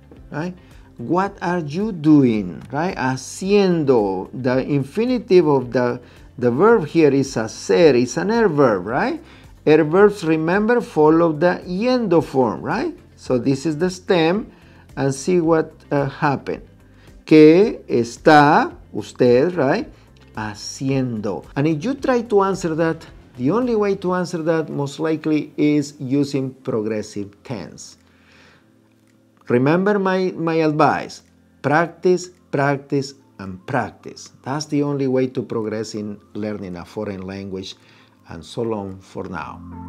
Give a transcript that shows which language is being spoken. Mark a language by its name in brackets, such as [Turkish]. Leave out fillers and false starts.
[English] Right? What are you doing? Right? Haciendo. The infinitive of the verb here is hacer. It's an er verb, right? Er verbs, remember, follow the yendo form, right? So this is the stem, and see what happened. [Spanish] ¿Qué está usted, [English] right, [Spanish] haciendo? [English] And if you try to answer that, the only way to answer that most likely is using progressive tense. Remember my advice, practice, practice, and practice. That's the only way to progress in learning a foreign language, and so long for now.